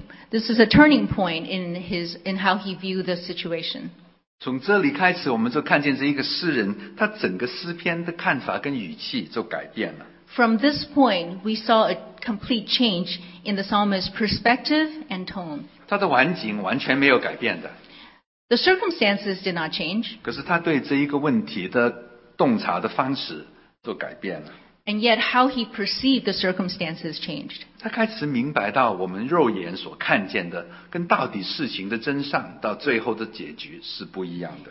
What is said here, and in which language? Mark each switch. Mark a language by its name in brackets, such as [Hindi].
[English] This is a turning point in how he viewed the situation. [Chinese] 从这里开始，我们就看见这一个诗人，他整个诗篇的看法跟语气就改变了。 [English] From this point, we saw a complete change in the psalmist's perspective and tone. [Chinese] 他的环境完全没有改变的。 [English] The circumstances did not change. [Chinese] 可是他对这一个问题的洞察的方式就改变了。 [English] And yet, how he perceived the circumstances changed. [Chinese] 他开始明白到我们肉眼所看见的跟到底事情的真相到最后的结局是不一样的。